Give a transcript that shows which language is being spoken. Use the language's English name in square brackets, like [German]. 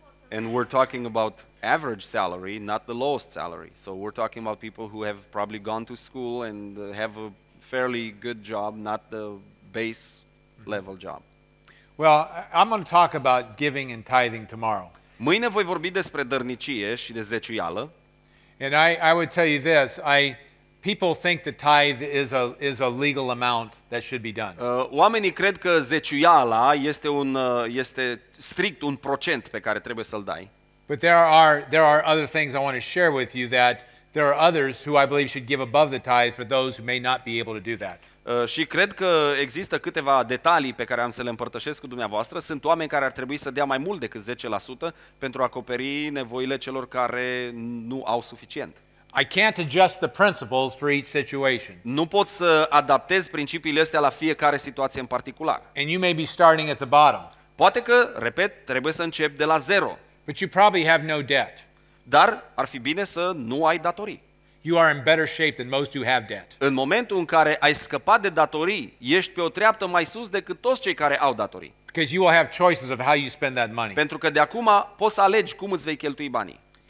[English] And we're talking about average salary, not the lowest salary. So we're talking about people who have probably gone to school and have a fairly good job, not the base level job. Well, I'm going to talk about giving and tithing tomorrow. [Romanian] Mâine voi vorbi despre dărnicie și de zeciuială. [English] And I would tell you this, people think the tithe is a legal amount that should be done. [Romanian] Oamenii cred că zeciuiala este este strict un procent pe care trebuie să-l dai. [English] But there are other things I want to share with you that there are others who I believe should give above the tithe for those who may not be able to do that. [Romanian] Și cred că există câteva detalii pe care am să le împărtășesc cu dumneavoastră. Sunt oameni care ar trebui să dea mai mult decât 10% pentru a acoperi nevoile celor care nu au suficient. [English] I can't adjust the principles for each situation. [Romanian] Nu pot să adaptez principiile astea la fiecare situație în particular. [English] And you may be starting at the bottom. [Romanian] Poate că, repet, trebuie să încep de la zero. [English] But you probably have no debt. [Romanian] Dar ar fi bine să nu ai datorii. [English] You are in better shape than most who have debt. [Romanian] În momentul în care ai scăpat de datorii, ești pe o treaptă mai sus decât toți cei care au datorii. [English] Because you will have choices of how you spend that money. [Romanian] Pentru că de acum poți să alegi cum îți vei cheltui banii.